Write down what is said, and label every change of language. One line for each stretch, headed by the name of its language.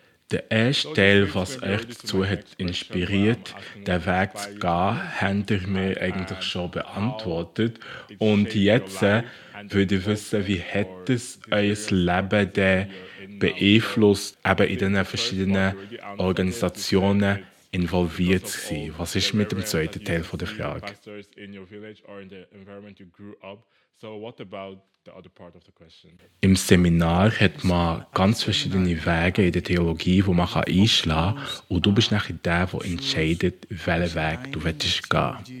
German: der erste Teil, was euch dazu hat inspiriert, den Weg zu gehen, habt ihr mir eigentlich schon beantwortet. Und jetzt würde ich wissen, wie hat es euer Leben denn beeinflusst, eben in den verschiedenen Organisationen involviert sein. Was ist mit dem zweiten Teil von der Frage?
English: In your village or in the environment you grew up. So what about the other part of the question?
German: Im Seminar hat man ganz verschiedene Wege in der Theologie, die man einschlagen kann. Und du bist nachher der, der entscheidet, welchen Weg du willst gehen.